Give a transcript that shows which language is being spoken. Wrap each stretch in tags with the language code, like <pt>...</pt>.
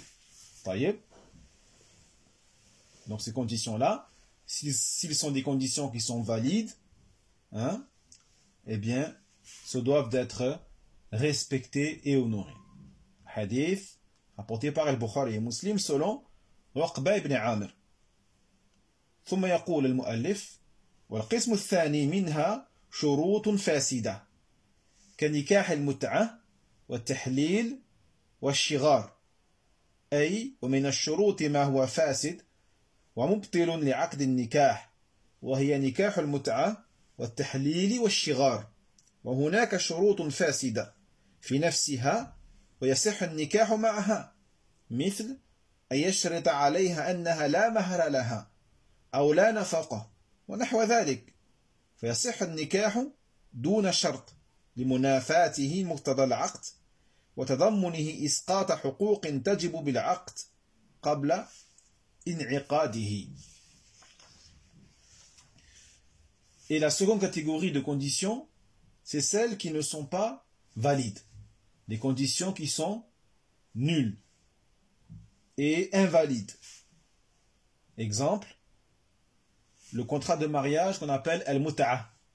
<fr>Vous voyez ? Donc ces conditions-là, s'ils sont des conditions qui sont valides, eh bien, ce doivent être respectés et honorés. Hadith rapporté par Al-Bukhari et Muslim selon Uqba ibn Amr.</fr> <ar>ثم يقول المؤلف والقسم الثاني منها شروط فاسدة كنكاح المتعة والتحليل والشغار أي ومن الشروط ما هو فاسد ومبطل لعقد النكاح وهي نكاح المتعة والتحليل والشغار وهناك شروط فاسدة في نفسها ويصح النكاح معها مثل أن يشرط عليها أنها لا مهر لها أو لا نفقة ونحو ذلك فيصح النكاح دون شرط لمنافاته مقتضى العقد وتضمنه إسقاط حقوق تجب بالعقد قبل انعقاده.</ar> <fr>Et la seconde catégorie de conditions, c'est celles qui ne sont pas valides. Les conditions qui sont nulles et invalides. Exemple, le contrat de mariage qu'on appelle Al-Muta'a.</fr>